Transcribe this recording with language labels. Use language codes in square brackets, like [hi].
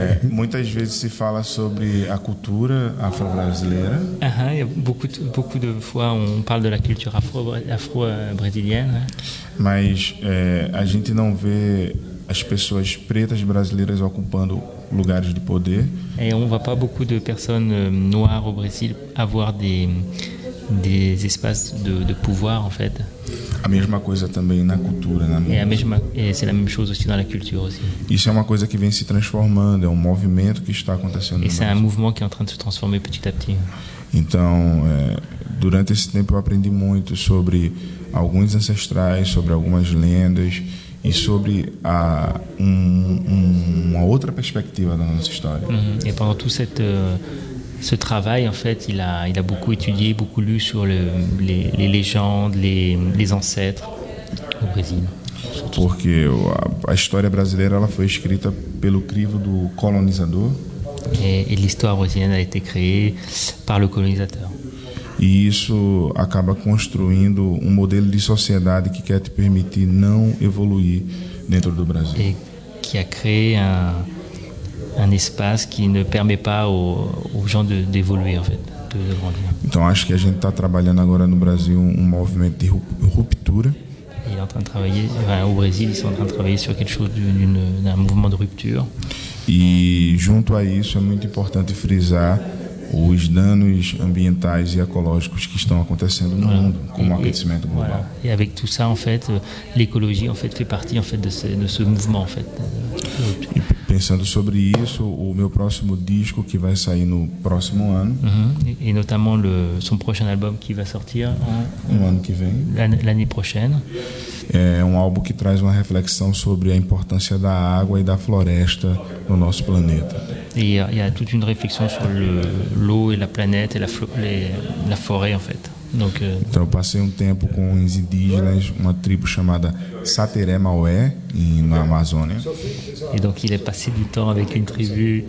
[pt] Muitas vezes se fala sobre a cultura afro-brasileira. [fr] Beaucoup de fois on parle de la culture afro-brésilienne. [pt] Mas a gente não vê as pessoas pretas brasileiras ocupando lugares de poder. [fr] Et on voit pas beaucoup de personnes noires au Brésil avoir des espaces de pouvoir, en fait. [pt] A mesma coisa também na cultura, na música. [fr] C'est la même chose aussi dans la culture aussi. [pt] Isso é uma coisa que vem se transformando, é um movimento que está acontecendo. [fr] Et c'est un mouvement qui est en train de se transformer petit à petit. [pt] Então, durante esse tempo eu aprendi muito sobre alguns ancestrais, sobre algumas lendas. e sobre a uma outra perspectiva da nossa história. [fr] Uhum. E pendant tout ce travail, en fait, il a beaucoup étudié, beaucoup lu sur les légendes, les ancêtres au Brésil. [pt] Porque a história brasileira ela foi escrita pelo crivo do colonizador. [fr] E l'histoire brésilienne a été créée par le colonisateur. [pt] E isso acaba construindo um modelo de sociedade que quer te permitir não evoluir dentro do Brasil. [fr] Et qui a créé un espace qui ne permet pas aux gens d'évoluer, en fait, de grandir. [pt] Então acho que a gente está trabalhando agora no Brasil um movimento de ruptura. [fr] Il est en train de travailler, enfin, au Brésil, ils sont en train de travailler sur quelque chose d'un mouvement de rupture. [pt] E junto a isso é muito importante frisar os danos ambientais e ecológicos que estão acontecendo no mundo, como o aquecimento global. [fr] Voilà. Et avec tout ça, en fait, l'écologie, en fait, fait partie, en fait, de ce mouvement, en fait. [pt] E pensando sobre isso, o meu próximo disco que vai sair no próximo ano. [fr] Uh-huh. Et notamment son prochain album qui va sortir [pt] no ano que vem. [fr] L'année prochaine. [pt] É um álbum que traz uma reflexão sobre a importância da água e da floresta no nosso planeta. [fr] Et il y a toute une réflexion sur l'eau et la planète et la forêt, en fait. Donc, [pt] então, eu passei tempo com os indígenas, uma tribo chamada Sateré Maué, na Amazônia. [fr] Et donc, il est passé du temps avec une tribu